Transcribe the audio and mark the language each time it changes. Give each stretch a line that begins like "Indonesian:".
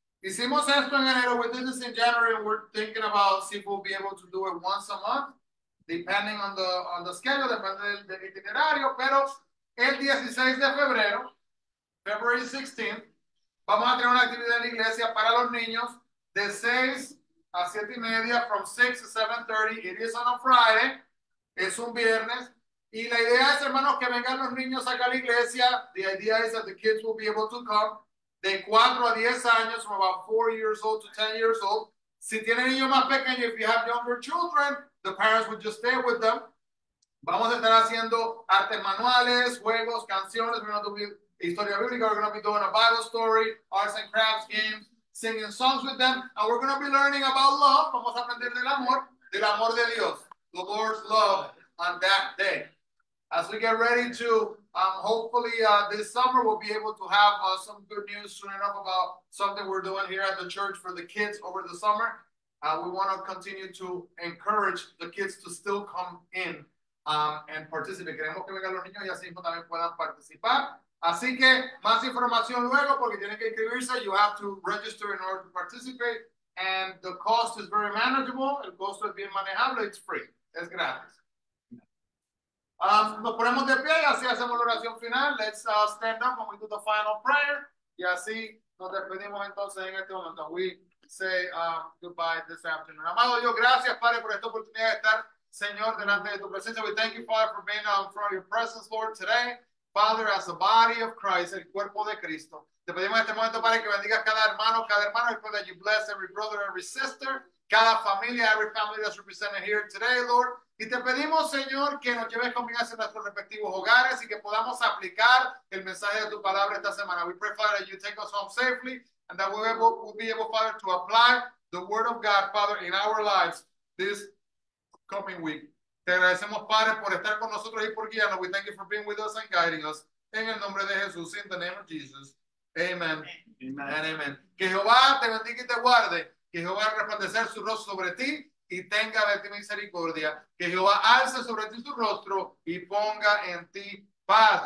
Spanish: Hicimos esto en enero,
English: we did this in January, and we're thinking about see if we'll be able to do it once a month, depending on the schedule,
Spanish: depende del itinerario, pero el 16 de febrero, February 16th, vamos a tener una actividad en la iglesia para los niños de 6 a 7 y media,
English: from 6 to 7:30, it is on a Friday,
Spanish: es un viernes, y la idea es, hermanos, que vengan los niños acá a la iglesia.
English: The idea is that the kids will be able to come.
Spanish: de 4 a 10 años,
English: from about 4 years old to 10 years old.
Spanish: Si tienen niños más pequeños,
English: if you have younger children, the parents would just stay with them.
Spanish: Vamos a estar haciendo artes manuales, juegos, canciones.
English: We're going to do
Spanish: historia bíblica.
English: We're going to be doing a Bible story, arts and crafts games, singing songs with them. And we're going to be learning about love.
Spanish: Vamos a aprender del amor de Dios,
English: the Lord's love on that day. As we get ready to, hopefully this summer, we'll be able to have some good news soon enough about something we're doing here at the church for the kids over the summer. We want to continue to encourage the kids to still come in and participate.
Spanish: Queremos que vengan los niños y así también puedan participar. Así que más información luego porque tienen que inscribirse.
English: You have to register in order to participate. And the cost is very manageable.
Spanish: El costo es bien manejable.
English: It's free.
Spanish: Es gratis. Nos ponemos de pie y así hacemos la oración final.
English: Let's stand up when we do the final prayer.
Spanish: Y así nos despedimos entonces en este momento.
English: We say goodbye this afternoon.
Spanish: Amado Dios, gracias, Padre, por esta oportunidad de estar, Señor, delante de tu presencia.
English: We thank you, Father, for being in front of your presence, Lord, today. Father, as the body of Christ,
Spanish: el cuerpo de Cristo. Te pedimos en este momento, Padre, que bendiga cada hermano,
English: we pray that you bless every brother, every sister,
Spanish: cada familia,
English: every family that's represented here today, Lord.
Spanish: Y te pedimos, Señor, que nos lleves con bien hacia nuestros respectivos hogares y que podamos aplicar el mensaje de tu palabra esta semana.
English: We pray, Father, that you take us home safely and that we'll be able, Father, to apply the word of God, Father, in our lives this coming week.
Spanish: Te agradecemos, Padre, por estar con nosotros y por guiarnos.
English: We thank you for being with us and guiding us.
Spanish: En el nombre de Jesús,
English: in the name of Jesus.
Spanish: Amen.
English: Amen. And amen.
Spanish: Que Jehová te bendiga y te guarde. Que Jehová resplandecer su rostro sobre ti y tenga de ti misericordia. Que Jehová alce sobre ti su rostro y ponga en ti paz.